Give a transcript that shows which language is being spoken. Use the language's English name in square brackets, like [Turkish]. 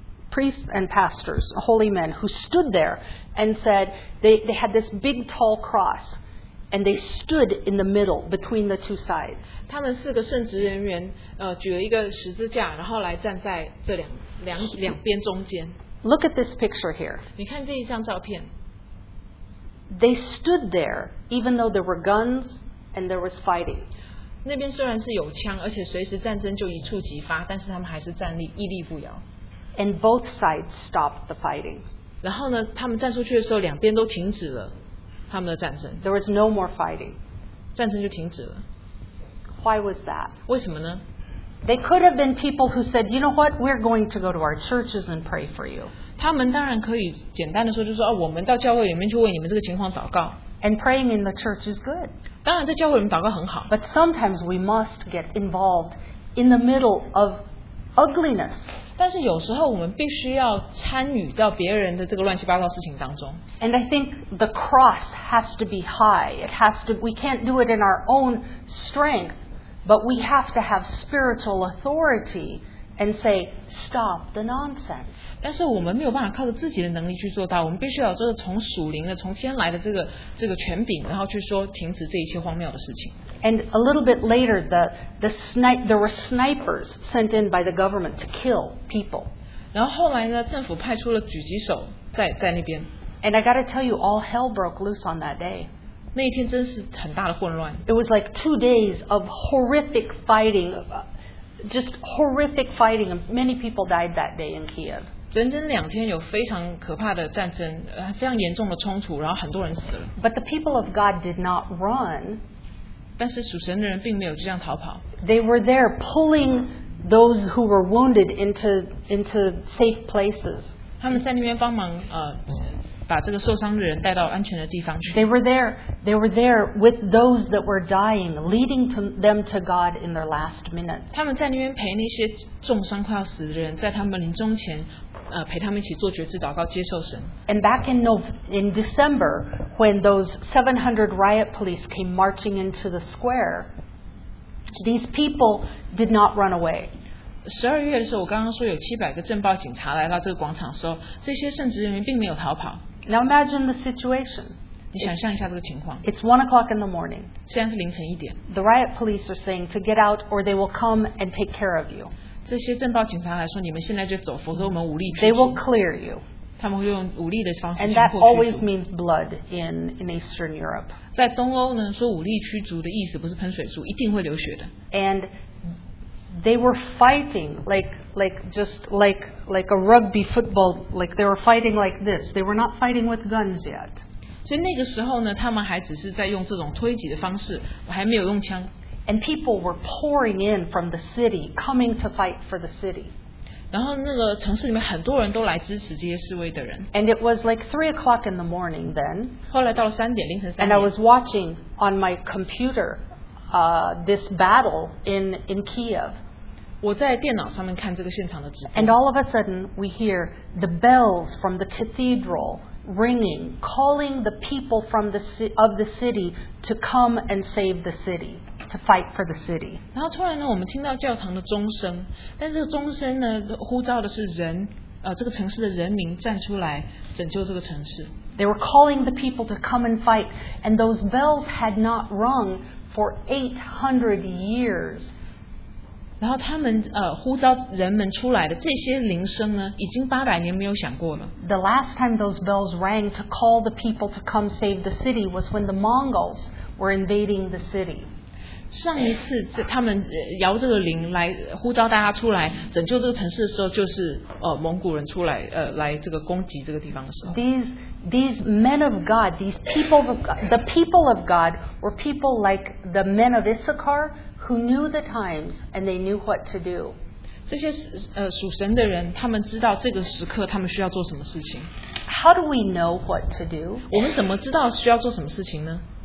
[English] priests and pastors, holy men who stood there and said they had this big tall cross and they stood in the middle between the two sides. [Chinese] 他们四个圣职人员举了一个十字架，然后来站在这两边中间。 [English] Look at this picture here. [Chinese] 你看这一张照片。 [English] They stood there even though there were guns and there was fighting. [Chinese] 那边虽然是有枪，而且随时战争就一触即发，但是他们还是站立屹立不摇。 [English] And both sides stopped the fighting. [Chinese] 然后呢，他们站出去的时候，两边都停止了他们的战争。 [English] There was no more fighting. [Chinese] 战争就停止了。 [English] Why was that? [Chinese] 为什么呢？ [English] They could have been people who said, you know what, we're going to go to our churches and pray for you. [Chinese] 他们当然可以简单的说就是说、哦、我们到教会里面去为你们这个情况祷告。 [English] And praying in the church is good. [Chinese] 当然在教会里面祷告很好。 [English] But sometimes we must get involved in the middle of ugliness. [Chinese] 但是有时候我们必须要参与到别人的这个乱七八糟事情当中。 [English] And I think the cross has to be high. It has to, we can't do it in our own strength. But we have to have spiritual authority and say, stop the nonsense. [Chinese] 但是我们没有办法靠着自己的能力去做到，我们必须要这个从属灵的、从天来的这个权柄，然后去说停止这一切荒谬的事情。 [English] And a little bit later, there were snipers sent in by the government to kill people. [Chinese] 然后后来呢，政府派出了狙击手在那边。 [English] And I got to tell you, all hell broke loose on that day. [Chinese] 那一天真是很大的混乱。 [English] It was like 2 days of horrific fighting, just horrific fighting. Many people died that day in Kiev. [Chinese] 整整两天有非常可怕的战争，非常严重的冲突，然后很多人死了。 [English] But the people of God did not run. [Chinese] 但是属神的人并没有就这样逃跑。 [English] They were there pulling those who were wounded into safe places. [Chinese] 他们在那边帮忙把这个受伤的人带到安全的地方去。 [English] They were there with those that were dying, leading them to God in their last minutes. [Chinese] 他们在那边陪那些重伤快要死的人，在他们临终前，陪他们一起做决志祷告，接受神。 [English] And back in December, when those 700 riot police came marching into the square, these people did not run away. [Chinese] 十二月的时候，我刚刚说有七百个政报警察来到这个广场的时候，这些圣职人员并没有逃跑。 [English] Now imagine the situation. [Chinese] 你想象一下这个情况。 [English] It's 1 o'clock in the morning. [Chinese] 现在是凌晨一点。 [English] The riot police are saying to get out, or they will come and take care of you. [Chinese] 这些政报警察来说，你们现在就走，否则我们武力驱逐。 [English] They will clear you. [Chinese] 他们会用武力的方式强迫驱逐。 [English] And that always means blood in Eastern Europe. [Chinese] 在东欧呢，说武力驱逐的意思不是喷水柱，一定会流血的。 [English] And they were fighting like a rugby football, like they were fighting like this. They were not fighting with guns yet. [Chinese] 所以那个时候呢，他们还只是在用这种推挤的方式，还没有用枪。 [English] And people were pouring in from the city, coming to fight for the city. [Chinese] 然后那个城市里面很多人都来支持这些示威的人。 [English] And it was like 3 o'clock in the morning then. [Chinese] 后来到了三点，凌晨三点。 [English] And I was watching on my computer. This battle in Kiev. [Chinese] 我在电脑上面看这个现场的直播。 [English] And all of a sudden, we hear the bells from the cathedral ringing, calling the people from the city to come and save the city, to fight for the city. [Chinese] 然后突然呢，我们听到教堂的钟声，但这个钟声呢，呼召的是人，这个城市的人民站出来拯救这个城市。 [English] They were calling the people to come and fight, and those bells had not rung. For 800 years. [Chinese] 然后他们呼召人们出来的这些铃声呢，已经800年没有响过了。 [English] The last time those bells rang to call the people to come save the city was when the Mongols were invading the city. [Chinese] 上一次他们摇这个铃来呼召大家出来拯救这个城市的时候，就是蒙古人出来来这个攻击这个地方的时候。 [English] These men of God, these people of God, the people of God were people like the men of Issachar who knew the times and they knew what to do. [Chinese] 这些属神的人，他们知道这个时刻他们需要做什么事情。 [English] How do we know what to do? [Chinese] 我们怎么知道需要做什么事情呢？